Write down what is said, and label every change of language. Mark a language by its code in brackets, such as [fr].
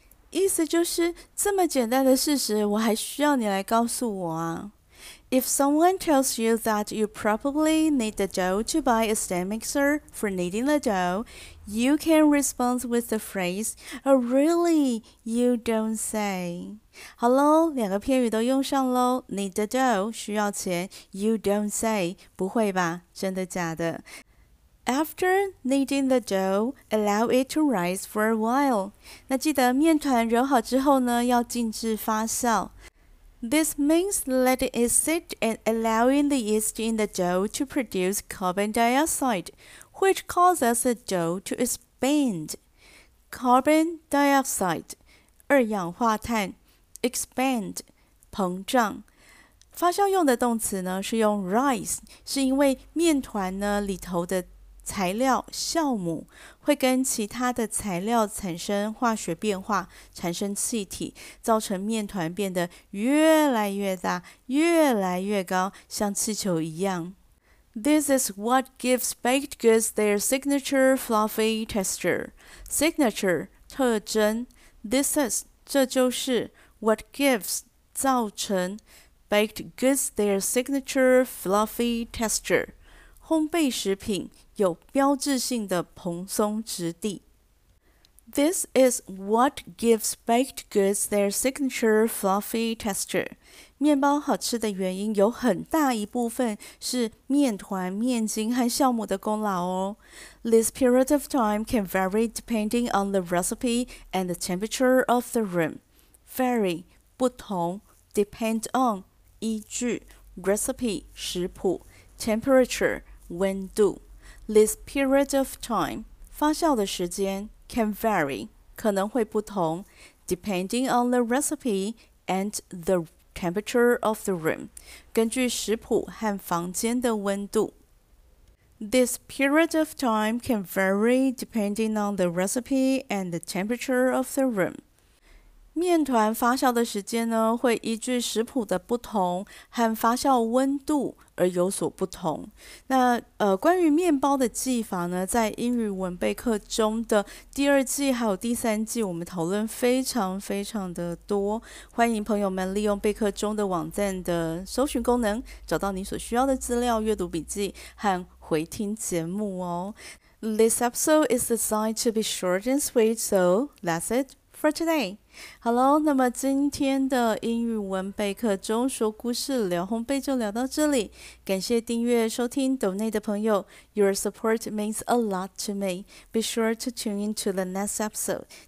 [zh] 意思就是这么简单的事实，我还需要你来告诉我啊。 [en] If someone tells you that you probably need the dough to buy a stand mixer for kneading the dough, you can respond with the phrase, "Oh, really? You don't say." [zh] 好咯，两个片语都用上咯。 [en] Need the dough [zh] 需要钱 [en] ，You don't say [zh] 不会吧？真的假的 ？ [en] After kneading the dough, allow it to rise for a while. [zh] 那记得面团揉好之后呢，要静置发酵。 [en] This means letting it sit and allowing the yeast in the dough to produce carbon dioxide, which causes the dough to expand. Carbon dioxide, [zh] 二氧化碳 [en] expand, [zh] 膨胀。发酵用的动词呢是用 rise, 是因为面团呢里头的材料酵母会跟其他的材料产生化学变化，产生气体，造成面团变得越来越大，越来越高，像气球一样。 [en] This is what gives baked goods their signature fluffy texture. Signature, [zh] 特征。 [en] This is, [zh] 这就是 [en] what gives, [zh] 造成 [en] baked goods their signature fluffy texture. [zh] 烘焙食品有标志性的蓬松质地。 [en] This is what gives baked goods their signature fluffy texture. [zh] 面包好吃的原因有很大一部分是面团、面筋和酵母的功劳哦。 [en] This period of time can vary depending on the recipe and the temperature of the room. Vary, [zh] 不同 [en] depend on, [zh] 依据 [en] recipe, [zh] 食谱 [en] temperature, [zh] 温度 [en] This period of time [zh] 发酵的时间 [en] can vary [zh] 可能会不同 [en] depending on the recipe and the temperature of the room [zh] 根据食谱和房间的温度 [en] This period of time can vary depending on the recipe and the temperature of the room [zh] 面团发酵的时间呢会依据食谱的不同和发酵温度而有所不同。那关于面包的技法呢，在英语文备课中的第二季还有第三季，我们讨论非常非常的多。欢迎朋友们利用备课中的网站的搜寻功能，找到你所需要的资料、阅读笔记和回听节目哦。 [en] This episode is designed to be short and sweet, so that's it. For today, hello. [zh] 那么今天的英语文备课中说故事聊烘焙就聊到这里。感谢订阅收听 Donate 的朋友 ， [en] Your support means a lot to me. Be sure to tune into the next episode.